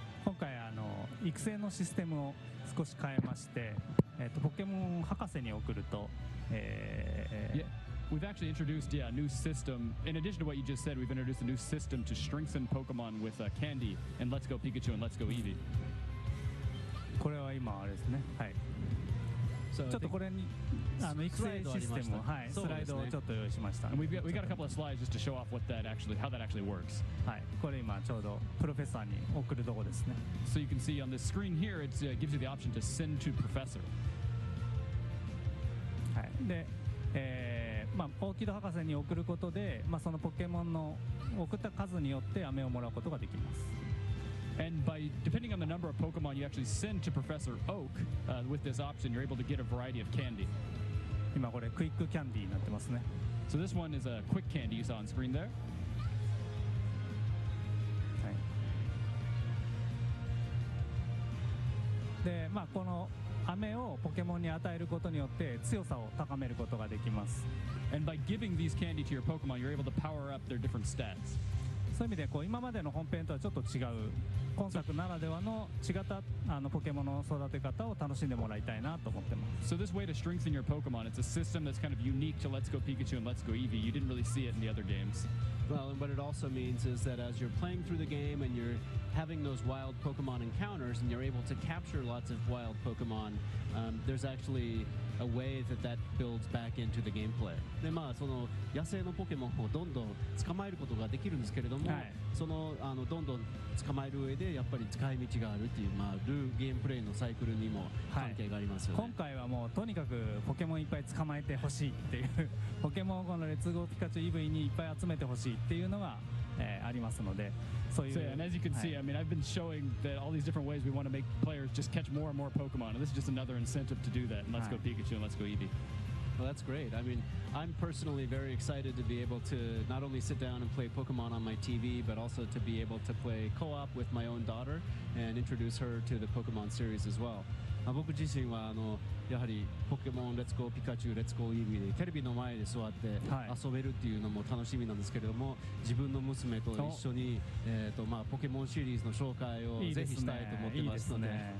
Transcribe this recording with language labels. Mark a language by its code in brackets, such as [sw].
[ja] 今回育成のシステムを少し変えまして、ポケモン博士に送ると、 [en] Yeah. We've actually introduced a new system. In addition to what you just said, we've introduced a new system to strengthen Pokemon with candy and Let's Go Pikachu and Let's Go Eevee. [ja] これは今あれですね、はい、ちょっとこれに育成システムを、はい、スライドをちょっと用意しました。 [en] And we've got, a couple of slides just to show off what that actually, how that actually works. [ja] はい、これ今ちょうどプロフェッサーに送るとこですね。 [en] So you can see on this screen here, it gives you the option to send to professor. [ja] はい、で、まあ、オーキド博士に送ることで、まあ、そのポケモンの送った数によって飴をもらうことができます。 [en] And by depending on the number of Pokemon you actually send to Professor Oak, with this option, you're able to get a variety of candy. [ja] 今これクイックキャンディーになってますね。 [en] So this one is a quick candy you saw on screen there. [ja] はい。で、まあこの飴をポケモンに与えることによって強さを高めることができます。 [en] And by giving these candy to your Pokemon, you're able to power up their different stats. [ja] そういう意味でこう今までの本編とはちょっと違う今作ならではの違ったポケモンの育て方を楽しんでもらいたいなと思ってます。 [en] So this way to strengthen your Pokemon, it's a system that's kind of unique to Let's Go Pikachu and Let's Go Eevee. You didn't really see it in the other games. Well, and what it also means is that as you're playing through the game and you're having those wild Pokemon encounters and you're able to capture lots of wild Pokemon, there's actually a way that that builds back into the gameplay. [ja] で、まあその野生のポケモンをどんどん捕まえることができるんですけれども、はい、その、どんどん捕まえる上でやっぱり使い道があるっていう、まあ、ルーゲームプレイのサイクルにも関係がありますよね、はい、今回はもうとにかくポケモンいっぱい捕まえてほしいっていうポケモンをこのレッツゴーピカチュウイブイにいっぱい集めてほしいっていうのがありますので、そういう。 [en] So, yeah, and as you can see, I mean, I've been showing that all these different ways we want to make players just catch more and more Pokemon, and this is just another incentive to do that. And let's go Pikachu and let's go Eevee. Well, that's great. I mean, I'm personally very excited to be able to not only sit down and play Pokemon on my TV, but also to be able to play co-op with my own daughter and introduce her to the Pokemon series as well. [ja] まあ、僕自身はあのやはりポケモンレッツゴーピカチュウレッツゴーイービーでテレビの前で座って遊べるっていうのも楽しみなんですけれども、はい、自分の娘と一緒に、まあ、ポケモンシリーズの紹介をぜひしたいと思ってますので、